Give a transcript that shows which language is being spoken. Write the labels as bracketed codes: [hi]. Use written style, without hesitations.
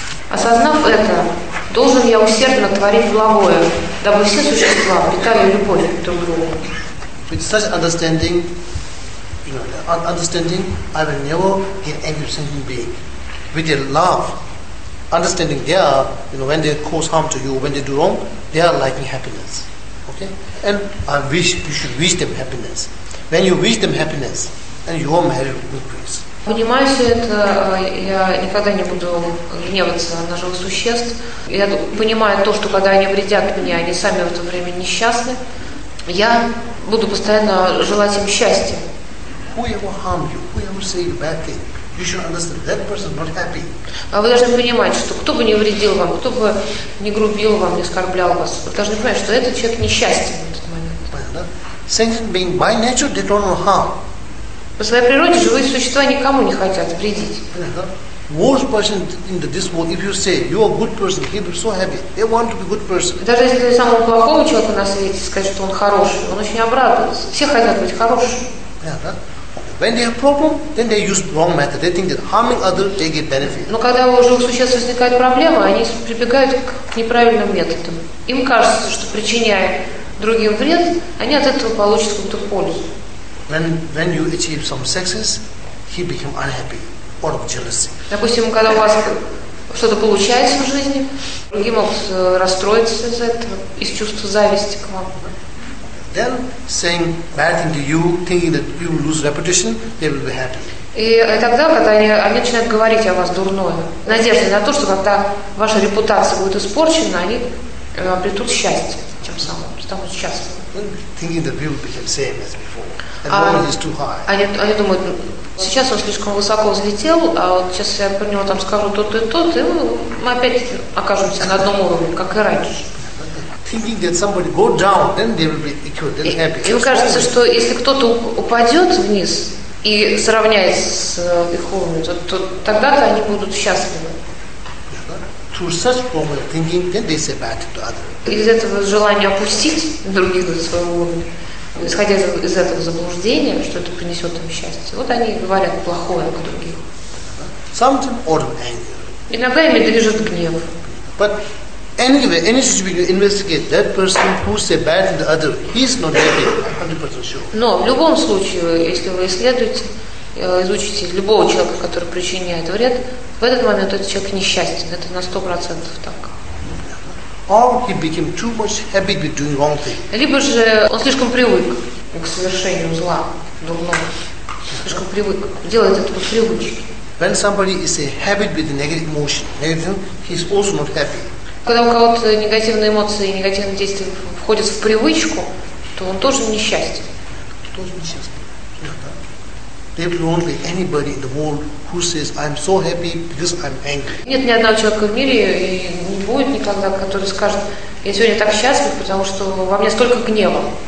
[ru] Осознав это, должен я усердно творить благое, дабы все существа питали любовь друг к другу. [en] With such understanding, you know, understanding, I will never get angry with sentient being. With their love, understanding they are, you know, when they cause harm to you, when they do wrong, they are liking happiness. Okay? And I wish you should wish them happiness. When you wish them happiness, and your marriage will increase. [ru] Понимая все это, я никогда не буду гневаться на живых существ. Я понимаю то, что когда они вредят мне, они сами в это время несчастны. Я буду постоянно желать им счастья. [en] Whoever harm you, whoever say you bad thing, you should understand that person not happy. [ru] А вы должны понимать, что кто бы ни вредил вам, кто бы ни грубил вам, ни оскорблял вас, вы должны понимать, что этот человек несчастен в этот момент. [en] Sentient being by nature they don't know how. [ru] По своей природе живые существа никому не хотят вредить. [en] Worst person in this world, if you say you are a good person, he will be so happy. They want to be a good person. [ru] Даже если самому плохому человеку на свете сказать, что он хороший, он очень обрадуется. Все хотят быть хорошими. [en] When they have problem, then they use wrong method. They think that harming others, they get benefit. [ru] Но когда у живых существ возникает проблема, они прибегают к неправильным методам. Им кажется, что причиняя другим вред, они от этого получат какую-то пользу. [en] When you achieve some success, he became unhappy out of jealousy. [ru] Допустим, когда у вас что-то получается в жизни, другие могут расстроиться из-за этого, из чувства зависти к вам. [en] them, saying bad thing to you, thinking that you will lose reputation, they will be happy. [ru] И тогда, когда они начинают говорить о вас дурное, надеясь на то, что когда ваша репутация будет испорчена, они обретут счастье тем самым, станут счастливыми. Они думают, сейчас он слишком высоко взлетел, а вот сейчас я про него там скажу тот и тот, и мы опять окажемся на одном уровне, как и раньше. [en] Thinking that somebody go down, then they will be equal, then happy. [ru] И кажется, что если кто-то упадет вниз и сравняется с их уровнем, то тогда-то они будут счастливы. [en] Through such form of thinking, then they say bad to others. [ru] Из этого желания опустить других до своего уровня, исходя из этого заблуждения, что это принесет им счастье, вот они и говорят плохое к другим. [en] Sometimes or anger. [ru] Иногда ими движет гнев. [en] But anyway, any situation you investigate, that person who say bad to the other, he's not happy, 100% sure. [ru] Но в любом случае, если вы исследуете, изучите любого человека, который причиняет вред, в этот момент этот человек несчастен, это на 100% так. [en] Or he became too much habit with doing wrong things. [ru] Либо же он слишком привык к совершению зла, дурного. Слишком привык делать это по привычке. [en] When somebody is a habit with a negative emotion, negative, he's also not happy. [ru] Когда у кого-то негативные эмоции и негативные действия входят в привычку, то он тоже несчастен. Тоже несчастен. [en] There will be only anybody in the world who says, I'm so happy because I'm angry. [ru] Нет ни одного человека в мире и не будет никогда, который скажет, я сегодня так счастлив, потому что во мне столько гнева.